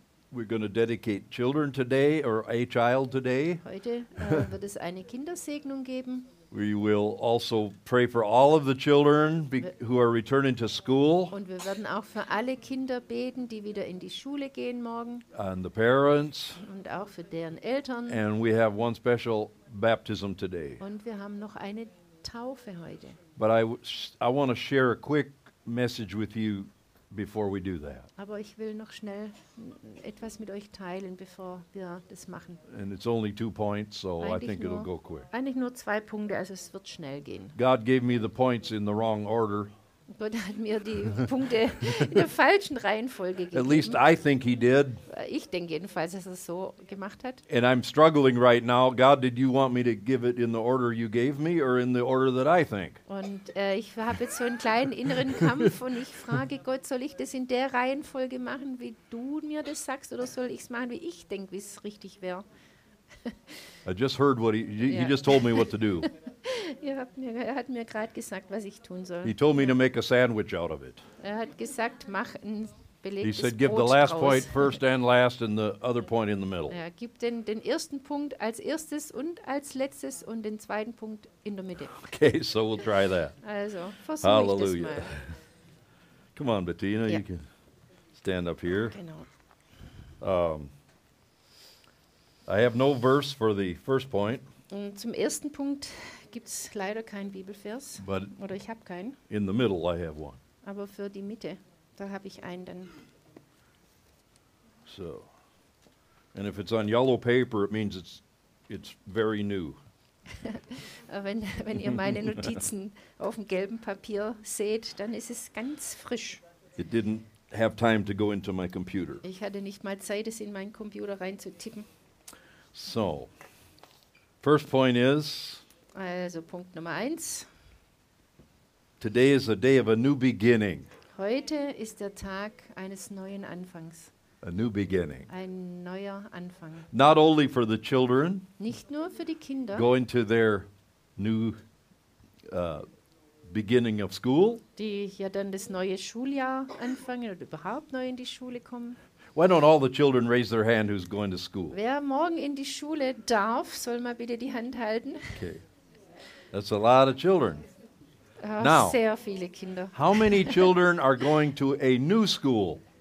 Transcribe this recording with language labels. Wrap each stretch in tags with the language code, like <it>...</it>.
<en>We're going to dedicate children today or a child today.</en> <de>Heute wird es eine Kindersegnung geben.</de> <en>We will also pray for all of the children who are returning to school.</en> <de>Und wir werden auch für alle Kinder beten, die wieder in die Schule gehen morgen.</de> <en>And the parents.</en> <de>Und auch für deren Eltern.</de> <en>And we have one special baptism today.</en> <de>Und wir haben noch eine Taufe heute.</de> <en>But I want to share a quick message with you before we do that.</en> <de>Aber ich will noch schnell etwas mit euch teilen, bevor wir das machen.</de> <en>And it's only 2 points, so I think it'll go quick.</en> <de>Eigentlich nur 2 Punkte, also es wird schnell gehen.</de> <en>God gave me the points in the wrong order.</en> <de>Gott hat mir die Punkte in der falschen Reihenfolge gegeben.</de> <en>At least I think he did.</en> <de>Ich denke jedenfalls, dass er so gemacht hat.</de> <en>And I'm struggling right now. God, did you want me to give it in the order you gave me or in the order that I think?</en> <de>Und ich habe jetzt so einen kleinen inneren Kampf und ich frage Gott, soll ich das in der Reihenfolge machen, wie du mir das sagst, oder soll ich es machen, wie ich denke, wie es richtig wäre?</de> <en>I just heard what he just told me what to do.</en> <de>Er hat mir gerade gesagt, was ich tun soll.</de> <en>He told me to make a sandwich out of it.</en> <de>Er hat gesagt, mach ein belegtes Brot.</de> <en>He said, give the last point first and last, and the other point in the middle.</en> <de>Ja, gib den ersten Punkt als erstes und als letztes und den zweiten Punkt in der Mitte.</de> <en>Okay, so we'll try that.</en> <de>Also, versuche ich das mal. Hallelujah.</de> <en>Come on, Bettina, you can stand up here.</en> <de>Genau.</de> <en>I have no verse for the first point.</en> <de>Zum ersten Punkt gibt's leider keinen Bibelvers.</de> <en>But</en> <de>oder ich habe keinen.</de> <en>In the middle I have one.</en> <de>Aber für die Mitte, da habe ich einen dann.</de> <en>So. And if it's on yellow paper, it means it's very new.</en> <de>wenn ihr meine Notizen auf dem gelben Papier seht, dann ist es ganz frisch.</de> <en>It didn't have time to go into my computer.</en> <de>Ich hatte nicht mal Zeit, es in meinen Computer reinzutippen.</de> <en>So, first point is,</en> <de>also Punkt Nummer 1.</de> <en>Today is a day of a new beginning.</en> <de>Heute ist der Tag eines neuen Anfangs.</de> <en>A new beginning.</en> <de>Ein neuer Anfang.</de> <en>Not only for the children.</en> <de>Nicht nur für die Kinder.</de> <en>Going to their new beginning of school.</en> <de>Die ja dann das neue Schuljahr anfangen oder überhaupt neu in die Schule kommen.</de> <en>Why don't all the children raise their hand who's going to school?</en> <de>Wer morgen in die Schule darf, soll mal bitte die Hand halten.</de> <en>Okay. That's a lot of children.</en> <de>Now, sehr viele Kinder.</de> <en>How many children are going to a new school?</en>